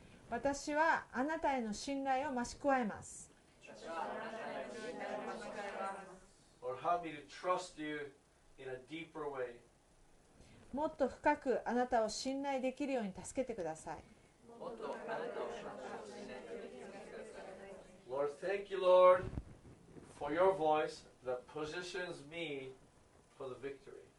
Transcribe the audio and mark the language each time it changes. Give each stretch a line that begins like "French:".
Japanese: 私はあなたへの信頼を増し加えます。
English: Lord, help me to trust you in a deeper way.
Japanese: もっと深くあなたを信頼できるように助けてください。
English: Lord, thank you, Lord, for your voice that positions me for the victory.